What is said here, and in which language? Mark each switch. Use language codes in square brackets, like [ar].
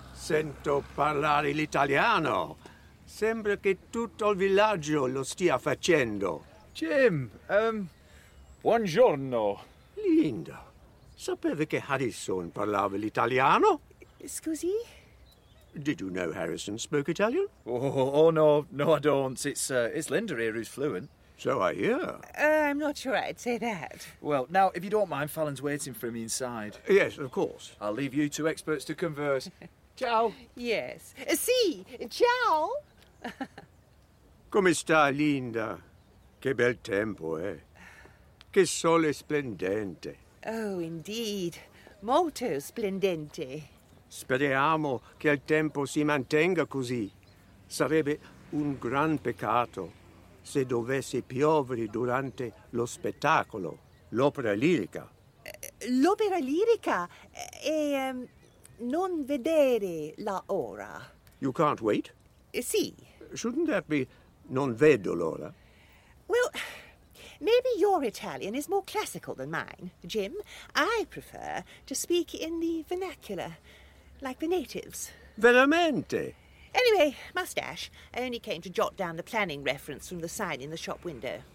[it] Sento parlare l'italiano. Sembra che tutto il villaggio lo stia facendo. Jim, buongiorno. Linda, sapevi che Harrison parlava l'italiano? Scusi? [en] Did you know Harrison spoke Italian? Oh, no, I don't. It's Linda here who's fluent. So I hear. I'm not sure I'd say that. Well, now, if you don't mind, Fallon's waiting for me inside. Yes, of course. I'll leave you two experts to converse. [it] Ciao. [en] Yes. [it] Sì, ciao. Come sta, Linda? Che bel tempo, eh? Che sole splendente. [en] Oh, indeed. [it] Molto splendente. Speriamo che il tempo si mantenga così. Sarebbe un gran peccato se dovesse piovere durante lo spettacolo, l'opera lirica. L'opera lirica? E non vedere la ora. [en] You can't wait? [it] Sì. [en] Shouldn't that be [it] non vedo l'ora? [en] Well, maybe your Italian is more classical than mine, Jim. I prefer to speak in the vernacular, like the natives. [it] Veramente? [en] Anyway, mustache. I only came to jot down the planning reference from the sign in the shop window.